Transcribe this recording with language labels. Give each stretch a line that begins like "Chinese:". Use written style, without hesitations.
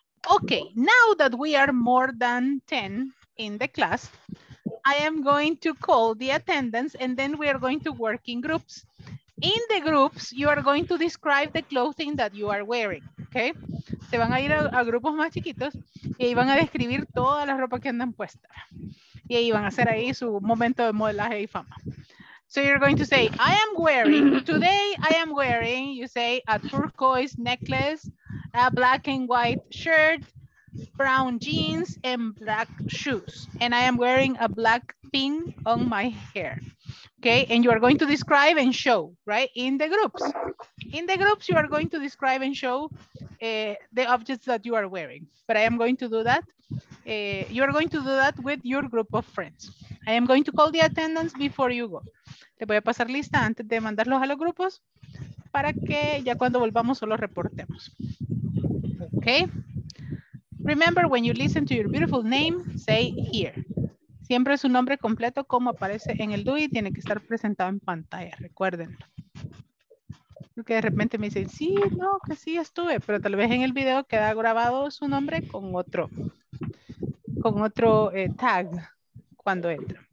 English: Okay, now that we are more than 10 in the class, I am going to call the attendance and then we are going to work in groups. In the groups, you are going to describe the clothing that you are wearing, okay?
Spanish: Se van a ir a grupos más chiquitos y ahí van a describir toda la ropa que andan puesta. Y ahí van a hacer ahí su momento de modelaje y fama.
English: So you're going to say, I am wearing, today I am wearing, you say, a turquoise necklace, a black and white shirt, brown jeans, and black shoes. And I am wearing a black pin on my hair. Okay, and you are going to describe and show, right, in the groups. In the groups, you are going to describe and show the objects that you are wearing. But I am going to do that. You are going to do that with your group of friends. I am going to call the attendance before you go.
Spanish: Le voy a pasar lista antes de mandarlos a los grupos para que ya cuando volvamos solo reportemos.
English: Okay? Remember, when you listen to your beautiful name, say here.
Spanish: Siempre su nombre completo como aparece en el DUI tiene que estar presentado en pantalla, recuérdenlo. Porque de repente me dicen, sí, no, que sí estuve, pero tal vez en el video queda grabado su nombre con otro tag cuando entra.